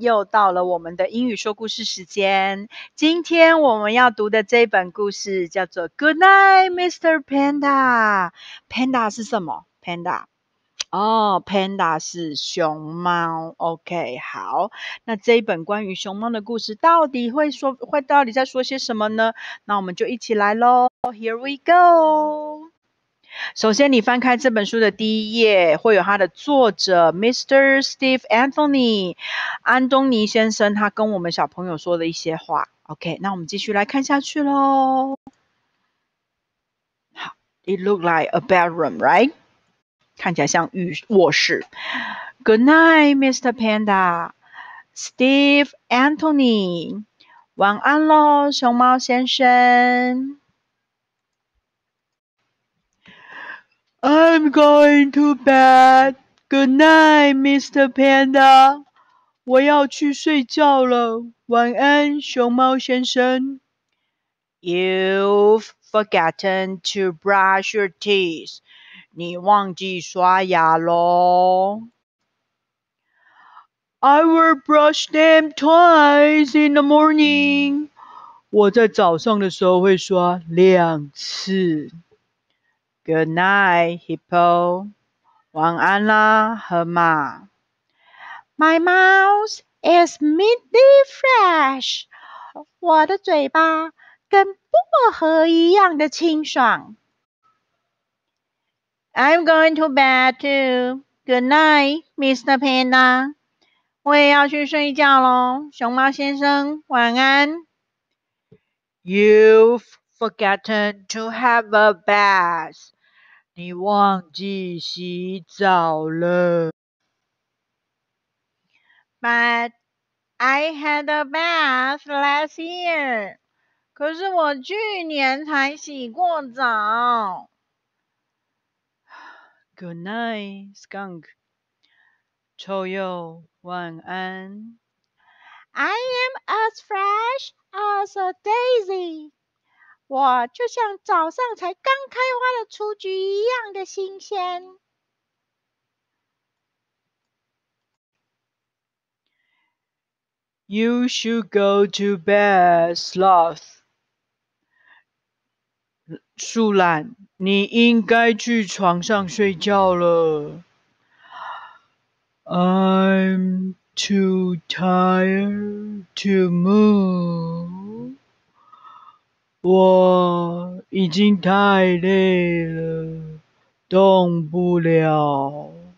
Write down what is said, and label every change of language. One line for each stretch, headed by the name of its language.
Chinese: 又到了我们的英语说故事时间。今天我们要读的这本故事叫做
English: 《Good Night, Mr. Panda》。
Chinese: Panda 是什么 ？Panda。哦 ，Panda 是熊猫。OK， 好。那这一本关于熊猫的故事到底会到底在说些什么呢？那我们就一起来咯。
English: Here we go。
Chinese: 首先，你翻开这本书的第一页，会有它的作者 Mr. Steve Anthony 安东尼先生，他跟我们小朋友说的一些话。 OK， 那我们继续来看下去咯。
English: 好 ，It looked like a bedroom, right?
Chinese: 看起来像卧室。
English: Good night, Mr. Panda.
Chinese: Steve Anthony. 晚安咯，熊猫先生。
English: I'm going to bed. Good night, Mr. Panda.
Chinese: 我要去睡觉了。晚安，熊猫先生。
English: You've forgotten to brush your teeth.
Chinese: 你忘记刷牙咯。
English: I will brush them twice in the morning.
Chinese: 我在早上的时候会刷两次。
English: Good night, Hippo.
Chinese: 晚安啦，河马。
English: My mouth is minty fresh.
Chinese: 我的嘴巴跟薄荷一样的清爽。
English: I'm going to bed too. Good night, Mr. Panda.
Chinese: 我也要去睡觉咯，熊猫先生，晚安。
English: You've forgotten to have a bath.
Chinese: 你忘记洗澡了。
English: But I had a bath last year.
Chinese: 可是我去年才洗过澡。
English: Good night, skunk.
Chinese: 臭鼬，晚安。
English: I am as fresh as a daisy.
Chinese: 我就像早上才刚开花的雏菊一样的新鲜。
English: You should go to bed, sloth.
Chinese: 树懒，你应该去床上睡觉了。
English: I'm too tired to move.
Chinese: 我已经太累了，动不了。